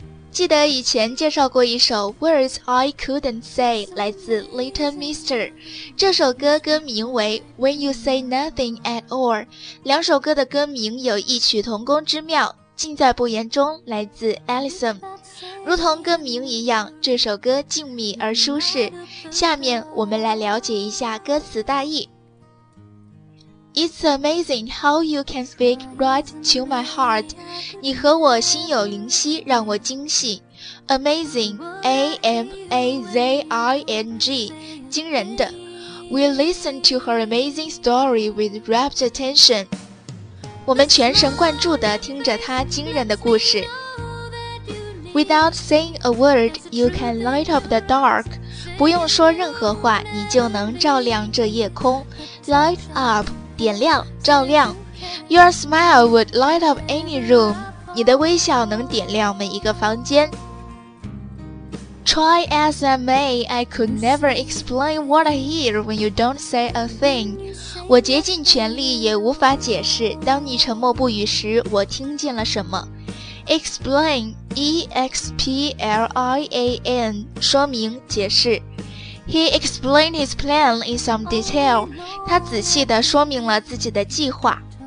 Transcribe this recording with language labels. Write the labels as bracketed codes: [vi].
[zh] 记得以前介绍过一首 Words I Couldn't Say 来自 Little Mister， 这首歌歌名为 When You Say Nothing At All， 两首歌的歌名有异曲同工之妙，尽在不言中来自 Allison， 如同歌名一样，这首歌静谧而舒适。下面我们来了解一下歌词大意。 [en] It's amazing how you can speak right to my heart. [zh] 你和我心有灵犀，让我惊喜。 [en] Amazing, A-M-A-Z-I-N-G, [zh] 惊人的。 [en] We listen to her amazing story with rapt attention. [zh] 我们全神贯注地听着她惊人的故事。 [en] Without saying a word, you can light up the dark. [zh] 不用说任何话，你就能照亮这夜空。 Light up. 点亮，照亮。 [en] Your smile would light up any room. [zh] 你的微笑能点亮每一个房间。 [en] Try as I may, I could never explain what I hear when you don't say a thing. [zh] 我竭尽全力也无法解释，当你沉默不语时，我听见了什么。 [en] Explain, E-X-P-L-I-A-N, [zh] 说明，解释。 [en] He explained his plan in some detail. [zh] 他仔细地说明了自己的计划。